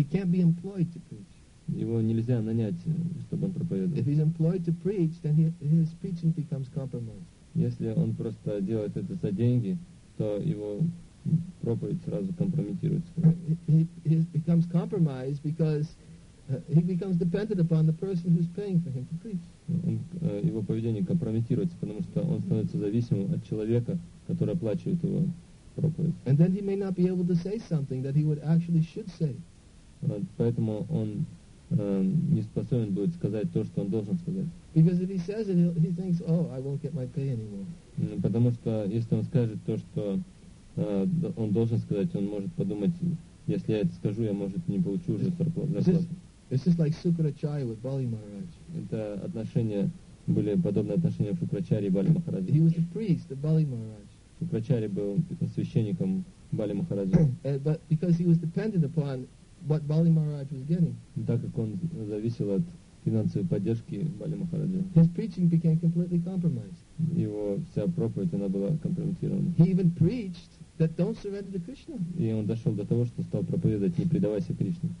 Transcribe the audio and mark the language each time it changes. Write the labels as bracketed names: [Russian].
[English] He can't be employed to preach. [Russian] Его нельзя нанять, чтобы он проповедовал. [English] If he's employed to preach, then his preaching becomes compromised. [Russian] Если он просто делает это за деньги, то его проповедь сразу компрометируется. [English] He becomes compromised because he becomes dependent upon the person who's paying for him to preach. [Russian] Его поведение компрометируется, потому что он становится зависимым от человека, который оплачивает его. [English] And then he may not be able to say something that he would actually should say. [Russian] Поэтому он не способен будет сказать то, что он должен сказать. [English] Because if he says it, he thinks, oh, I won't get my pay anymore. [Russian] Потому что если он скажет то, что он должен сказать, он может подумать, если я это скажу, я, может, не получу уже зарплату. [English] This is like Sukracharya with Bali Maharaj. [Russian] Это отношения, были подобные отношения в Шукрачарье и Бали Махараджи. [English] He was a priest of Bali Maharaj. [Russian] Шукрачарья был священником Бали Махараджи. [English] But because he was dependent upon what Bali Maharaj was getting. [Russian] Так как он зависел от финансовой поддержки Бали Махараджи. [English] His preaching became completely compromised. [Russian] Его вся проповедь, она была компрометирована. [English] He even preached that don't surrender to Krishna. [Russian] И он дошел до того, что стал проповедовать, не предавайся Кришне.